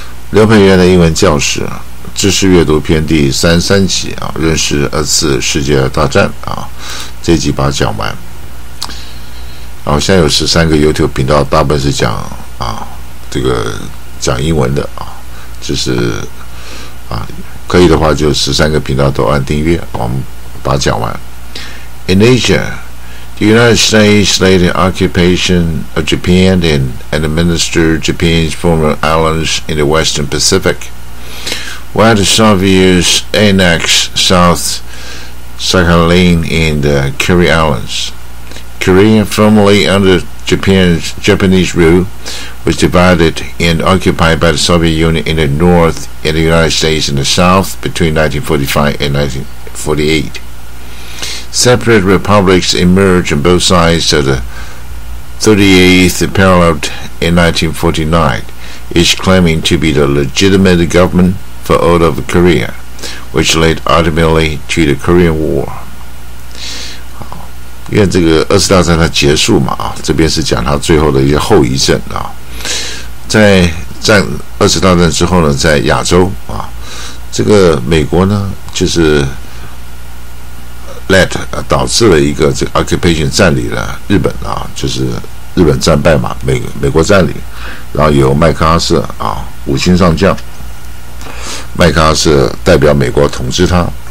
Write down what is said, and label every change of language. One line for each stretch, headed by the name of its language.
Chinese: 刘培源的英文教室知识阅读篇第33集啊，认识二次世界大战啊，这集把它讲完。然后现在有13个 YouTube 频道，大部分是讲啊这个讲英文的啊，就是啊可以的话就13个频道都按订阅，我们把它讲完。
English: In Asia, the United States laid an occupation of Japan and administered Japan's former islands in the Western Pacific, while the Soviets annexed South Sakhalin and the Kuril Islands. Korea, formerly under Japanese rule, was divided and occupied by the Soviet Union in the north and the United States in the south between 1945 and 1948. Separate republics emerged on both sides of the 38th parallel in 1949, each claiming to be the legitimate government for all of Korea, which led ultimately to the Korean War.
Chinese: 因为这个二次大战它结束嘛，这边是讲它最后的一个后遗症啊。在战二次大战之后呢，在亚洲啊，这个美国呢，就是Let 导致了一个这个 occupation 占领了日本啊，就是日本战败嘛，美国占领，然后由麦克阿瑟啊五星上将，麦克阿瑟代表美国统治他，